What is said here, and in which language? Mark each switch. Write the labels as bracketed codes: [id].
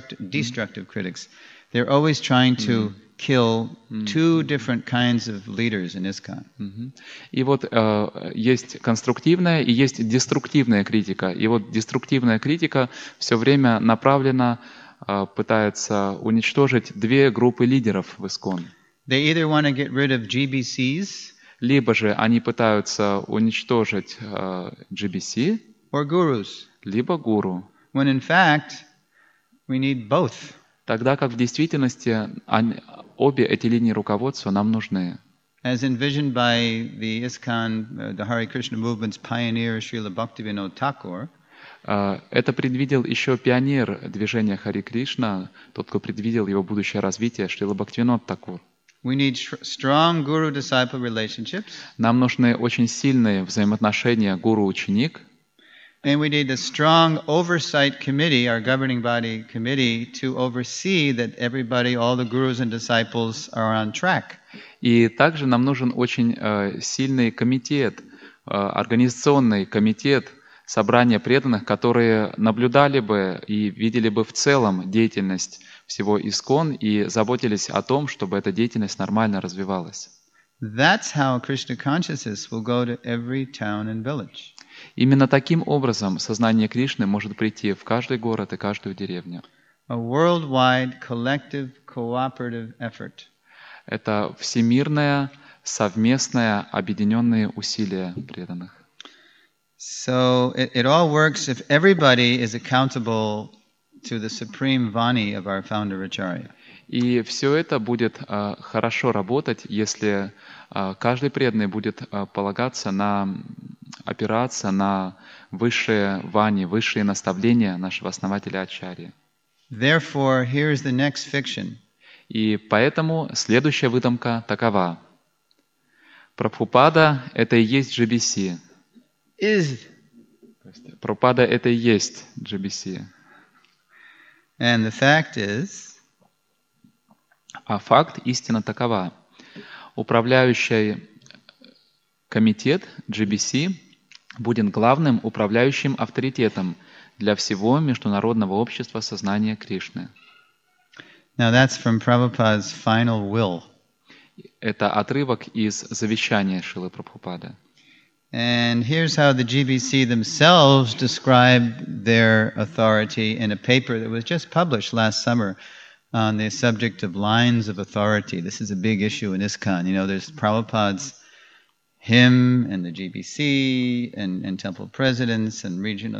[en] Destructive critics. They're always trying to kill two different kinds of leaders in ISKCON. [ru] И вот есть конструктивная и есть деструктивная критика. И вот деструктивная критика все время направлена, пытается уничтожить две группы лидеров в ISKCON. [en] They either want to get rid of GBCs, [ru] либо же они пытаются уничтожить GBC, [en] or gurus. [ru] Либо гуру. [en] When in fact we need both. [ru] Тогда как в действительности они, обе эти линии руководства нам нужны. [en] As envisioned by the ISKCON, the Hare Krishna movement's pioneer Srila Bhaktivinoda Thakur. [ru] Это предвидел еще пионер движения Хари Кришна, тот, кто предвидел его будущее развитие, Шрила Бхактивинода Такур. [en] We need strong guru-disciple relationships. [ru] Нам нужны очень сильные взаимоотношения гуру-ученик. [en] And we need a strong oversight committee, our governing body committee, to oversee that everybody, all the gurus and disciples, are on track. [ru] И также нам нужен очень сильный комитет, организационный комитет, собрание преданных, которые наблюдали бы и видели бы в целом деятельность всего ИСКОН и заботились о том, чтобы эта деятельность нормально развивалась. [en] That's how Krishna consciousness will go to every town and village. [ru] Именно таким образом сознание Кришны может прийти в каждый город и каждую деревню. [en] A worldwide collective cooperative effort. [ru] Это всемирное, совместное, объединенные усилия преданных. [en] So it all works if everybody is accountable to the supreme vani of our founder Acharya. [ru] И все это будет хорошо работать, если каждый преданный будет полагаться на, опираться на высшие вани, высшие наставления нашего основателя Ачарьи. [en] Therefore, here is the next fiction. [ru] И поэтому следующая выдумка такова. Прабхупада — это и есть GBC. [en] Is. [ru] Прабхупада — это и есть GBC. [en] And the fact is. [ru] А факт, истина такова. Управляющий комитет GBC будет главным управляющим авторитетом для всего международного общества сознания Кришны. [en] Now that's from Prabhupada's final will. [ru] Это отрывок из завещания Шрилы Прабхупады. [en] And here's how the GBC themselves describe their authority in a paper that was just published last summer on the subject of lines of authority. This is a big issue in ISKCON. You know, there's Prabhupada's hymn and the GBC and temple presidents and regional.